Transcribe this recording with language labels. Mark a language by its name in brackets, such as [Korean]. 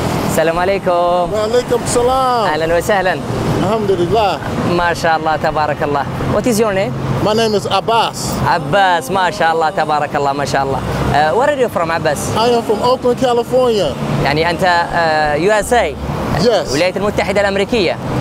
[Arabic] السلام عليكم. وعليكم السلام. اهلا وسهلا. الحمد لله. ما شاء الله تبارك الله. [English] What is your name? My name is Abbas. [Arabic] Abbas, ما شاء الله تبارك الله ما شاء الله. [English] Where are you from, Abbas? I am from Oakland, California. [Arabic] يعني انت USA. [English] Yes. [Arabic] الولايات المتحدة الأمريكية.